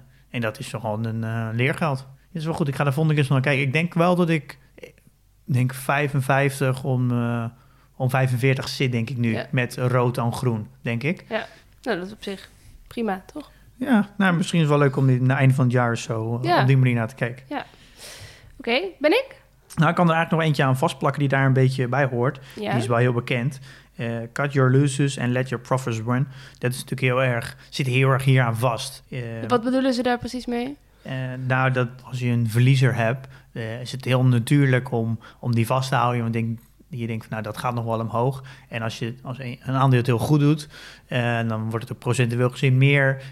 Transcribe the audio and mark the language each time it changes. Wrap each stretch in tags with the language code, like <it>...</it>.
<nl>En dat is gewoon een leergeld. Dat is wel goed. Ik ga daar volgende keer eens naar kijken. Ik denk wel dat ik denk 55 om 45 zit, denk ik nu, met rood en groen, denk ik. Ja, nou, dat is op zich prima, toch? Ja, nou, misschien is het wel leuk om na het einde van het jaar zo op die manier naar te kijken. Ja. Oké, ben ik? Nou, ik kan er eigenlijk nog eentje aan vastplakken die daar een beetje bij hoort. Ja. Die is wel heel bekend.</nl> <en>Cut your losses and let your profits run.</en> <nl>Dat is natuurlijk heel erg, zit heel erg hier aan vast. Wat bedoelen ze daar precies mee? Dat als je een verliezer hebt, is het heel natuurlijk om die vast te houden. Je denkt, nou, dat gaat nog wel omhoog. En als een aandeel het heel goed doet, dan wordt het ook procentueel gezien meer.</nl>